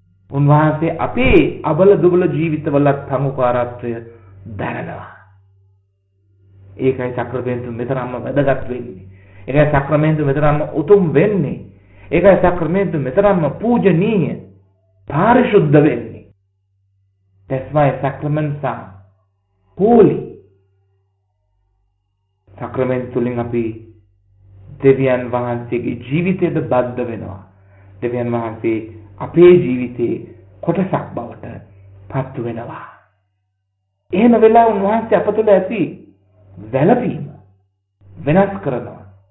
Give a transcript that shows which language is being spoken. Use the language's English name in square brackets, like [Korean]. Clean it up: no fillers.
[Sinhala] උන්වහන්සේ අපේ අබල දුබල ජීවිතවලත් පංගුකාරත්වය දරනවා. ඒකයි සක්‍රමේන්තු මෙතරම්ම වැදගත් වෙන්නේ. ඒකයි සක්‍රමේන්තු මෙතරම්ම උතුම් වෙන්නේ. ඒකයි සක්‍රමේන්තු මෙතරම්ම පූජනීය, පාරිශුද්ධ වෙන්නේ. [English] That's why sacraments are holy. [Sinhala] සක්‍රමේන්තු තුලින් අපි දෙවියන් වහන්සේගේ ජීවිතයට බද්ධ වෙනවා. දෙවියන් වහන්සේ අපේ ජීවිතේ කොටසක් බවට පත් වෙනවා. එහෙම වෙලා උන්වහන්සේ අපතුල ඇති වැළපීම වෙනස් කරනවා.